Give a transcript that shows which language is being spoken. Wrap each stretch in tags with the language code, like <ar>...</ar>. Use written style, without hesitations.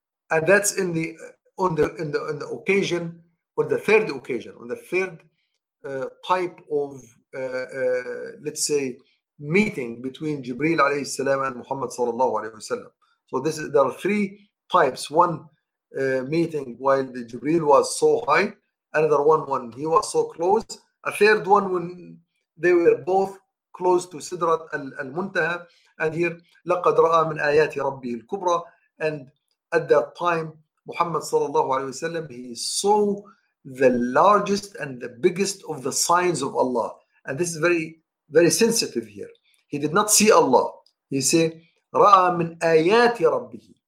<en>And that's in the on the in the on the occasion, or the third occasion, on the third type of let's say meeting between Jibreel alayhi salam and Muhammad sallallahu alayhi wasallam. So this is, there are three types. One meeting while the Jibreel was so high, another one when he was so close, a third one when they were both close to Sidrat al-Muntaha. And here</en> <ar>لقد رأى من آيات ربه الكبرى.</ar> <en>And at that time Muhammad sallallahu alayhi wa sallam, he saw the largest and the biggest of the signs of Allah. And this is very, very sensitive here. He did not see Allah. He said</en> <ar>رأى من آيات ربه.</ar>